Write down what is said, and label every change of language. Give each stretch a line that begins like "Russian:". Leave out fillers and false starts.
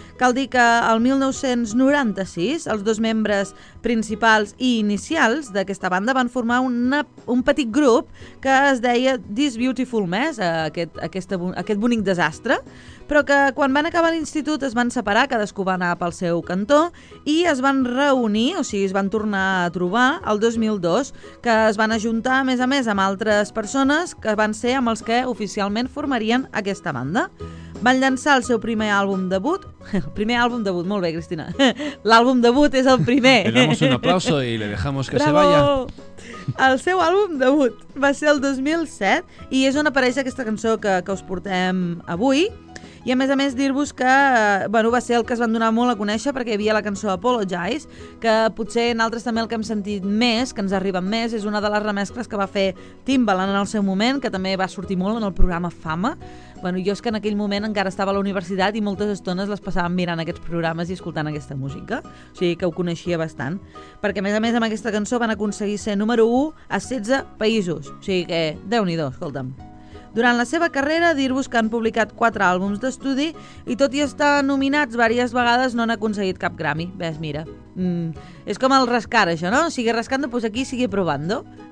Catalan: Cal dir que el 1996 els dos membres principals i inicials d'aquesta banda van formar un petit grup que es deia This Beautiful Mess, aquest bonic desastre, però que quan van acabar l'institut es van separar, cadascú va anar pel seu cantó, i es van reunir, o sigui, es van tornar a trobar el 2002, que es van ajuntar, a més, amb altres persones que van ser amb els que oficialment formarien aquesta banda. Van llançar el seu primer àlbum debut. El primer àlbum debut, molt bé, Cristina. L'àlbum debut és el primer.
Spanish: Le damos un aplauso y le dejamos que Bravo. Se vaya.
Catalan: El seu àlbum debut va ser el 2007 i és on apareix aquesta cançó que us portem avui. I a més dir-vos que va ser el que es van donar molt a conèixer perquè hi havia la cançó Apologize, que potser en altres també el que hem sentit més, que ens arriba més, és una de les remescles que va fer Timbaland en el seu moment, que també va sortir molt en el programa Fama. Jo és que en aquell moment encara estava a la universitat i moltes estones les passàvem mirant aquests programes i escoltant aquesta música, o sigui que ho coneixia bastant. Perquè a més amb aquesta cançó van aconseguir ser número 1 a 16 països, o sigui que déu-n'hi-do, escolta'm. Durant la seva carrera, dir-vos que han publicat 4 àlbums d'estudi i tot i estar nominats diverses vegades no han aconseguit cap Grammy. Ves, mira. És com el rascar, això, no?
Spanish: Sigue rascando, pues aquí sigue probando.